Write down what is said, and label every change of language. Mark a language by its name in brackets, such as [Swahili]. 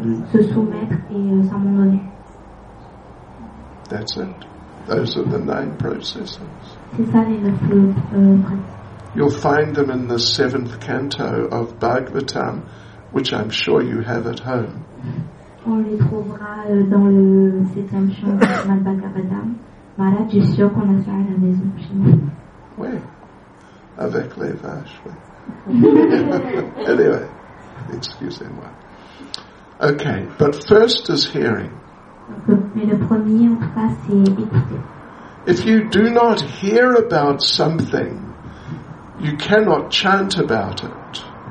[French] Se soumettre et s'abandonner. [English] That's it. Those are the 9 processes. [French] C'est ça les 9 processus. [English] You'll find them in the 7th canto of Bhagavatam, which I'm sure you have at home. [French] On les trouvera dans le 7e chant de Srimad Bhagavatam. Maharaj, je suis sûr qu'on a ça à la maison. Oui, avec les vaches, oui. Anyway, excusez-moi. [English] Okay, but first is hearing. [French] Mais le premier, en tout cas, c'est écouter. [English] If you do not hear about something, you cannot chant about it.